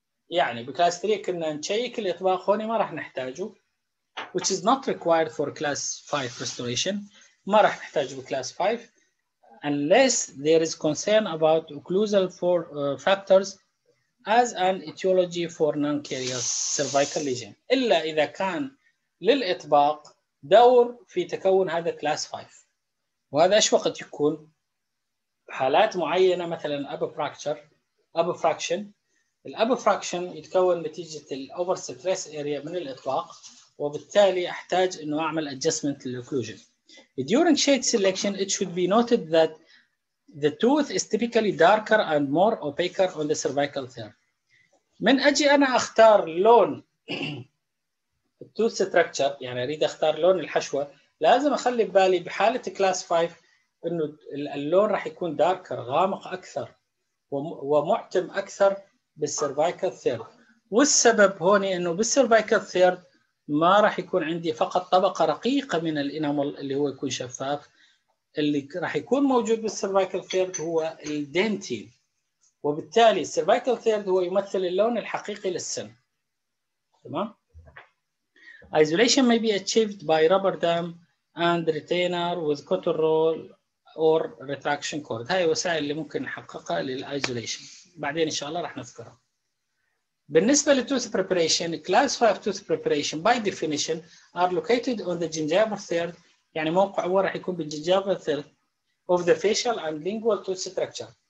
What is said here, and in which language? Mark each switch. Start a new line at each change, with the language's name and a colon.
Arabic: يعني بكلاس 3 كنا نشيك الإطباق، هوني ما راح نحتاجه
English: which is not required for class 5 restoration،
Arabic: ما راح نحتاجه بكلاس 5
English: unless there is concern about occlusal for factors as an etiology for non-carious cervical lesion،
Arabic: إلا إذا كان للإطباق دور في تكون هذا class 5، وهذا إيش وقت يكون؟ حالات معينة مثلاً أبو فراكشن الأبو فراكشن يتكون نتيجة الأوفر ستريس أريا من الإطباق، وبالتالي أحتاج أنه أعمل adjustment للأوكلوجين.
English: During shade selection it should be noted that the tooth is typically darker and more opaque on the cervical third.
Arabic: من أجي أنا أختار لون التوث ستركتشر، يعني أريد أختار لون الحشوة، لازم أخلي بالي بحالة class 5 انه اللون راح يكون داركر غامق اكثر ومعتم اكثر بالسيرفايكال ثيرد. والسبب هوني انه بالسيرفايكال ثيرد ما راح يكون عندي فقط طبقه رقيقه من الانامول اللي هو يكون شفاف، اللي راح يكون موجود بالسيرفايكال ثيرد هو الدنتين، وبالتالي السيرفايكال ثيرد هو يمثل اللون الحقيقي للسن. تمام.
English: Isolation may be achieved by rubber dam and retainer with cotton roll or retraction cord.
Arabic: هاي وسائل اللي ممكن نحققها للايزوليشن، بعدين ان شاء الله راح نذكرها.
English: بالنسبه للتوث preparation, class 5 tooth preparation by definition are located on the gingival third,
Arabic: يعني موقع هو راح يكون بالجينجيفر
English: Third of the facial and lingual tooth structure.